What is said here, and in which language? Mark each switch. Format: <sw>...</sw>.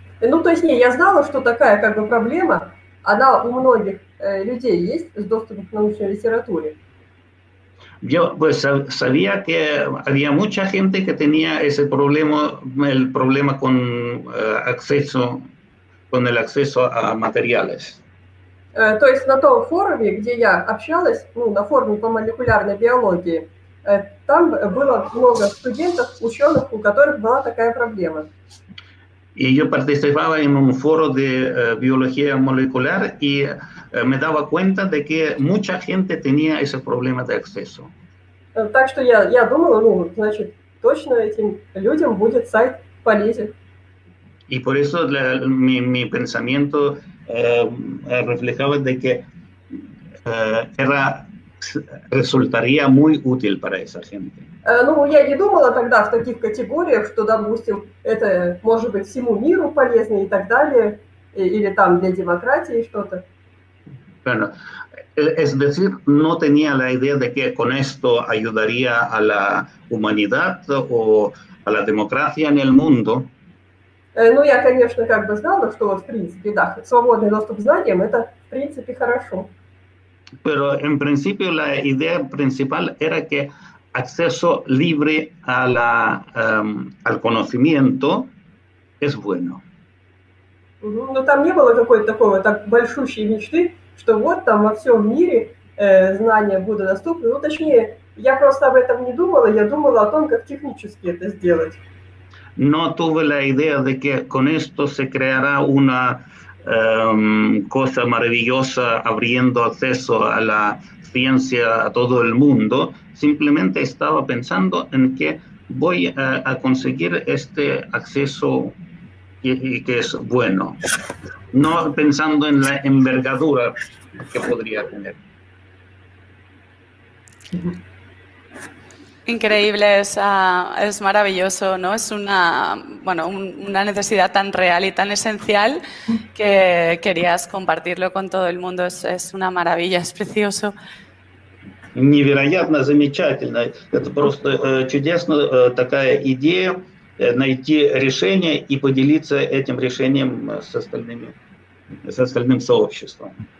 <ru>Ну, то есть, не, я знала, что такая как бы проблема, она у многих людей есть с доступом к научной литературе.</ru> <es>Yo pues sabía que había mucha gente que tenía ese problema, el problema con acceso, con el acceso a materiales.</es> <ru>То есть на том форуме, где я общалась, ну, на форуме по молекулярной биологии, там было много студентов, ученых, у которых была такая проблема.</ru> <es>Y yo participaba en un foro de biología molecular y me daba cuenta de que mucha gente tenía ese problema de acceso.</es> <ru>Так что я думала, ну, значит, точно этим людям будет сайт полезен.</ru> <es>Y por eso mi pensamiento reflejaba de que era, resultaría muy útil para esa gente.</es> <ru>Ну, я не думала тогда в таких категориях, что, допустим, это может быть всему миру полезно и так далее, или там для демократии что-то.</ru> <es>Bueno, es decir, no tenía la idea de que con esto ayudaría a la humanidad o a la democracia en el mundo.</es> <ru>Ну, я, конечно, как бы знала, что, в принципе, да, свободный доступ к знаниям – это, в принципе, хорошо.</ru> <es>Pero, en principio, la idea principal era que acceso libre a la, al conocimiento es bueno.</es> <ru>Ну, там не было какой-то такой так большущей мечты, что вот там во всем мире знания будут доступны. Ну, точнее, я просто об этом не думала, я думала о том, как технически это сделать.</ru> <es>No tuve la idea de que con esto se creará una cosa maravillosa abriendo acceso a la ciencia a todo el mundo. Simplemente estaba pensando en que voy a conseguir este acceso y que es bueno. No pensando en la envergadura que podría tener. Increíble, es maravilloso, ¿no? Es una, bueno, una necesidad tan real y tan esencial que querías compartirlo con todo el mundo. Es una maravilla, es precioso.</es> <ru>Невероятно замечательно. Это просто чудесно, такая идея, найти решение и поделиться этим решением с остальными, с остальным сообществом.</ru>